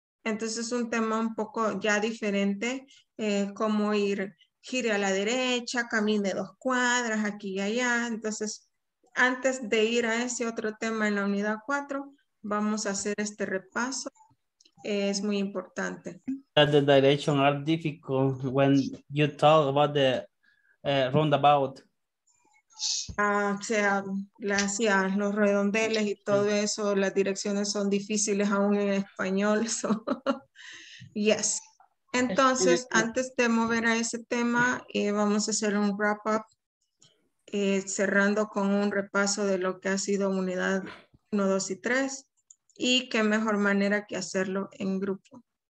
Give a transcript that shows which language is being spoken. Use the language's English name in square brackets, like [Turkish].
[Spanish] Entonces es un tema un poco ya diferente, cómo ir, gire a la derecha, camine dos cuadras, aquí y allá. Entonces, antes de ir a ese otro tema en la unidad 4, vamos a hacer este repaso. Es muy importante. [English] The directions are difficult when you talk about the roundabout. [Spanish] Los redondeles y todo eso, las direcciones son difíciles aún en español. [English] So. Yes. [Spanish] Entonces, antes de mover a ese tema, vamos a hacer un wrap up. Cerrando con un repaso de lo que ha sido unidad 1, 2 y 3 y qué mejor manera que hacerlo en grupo.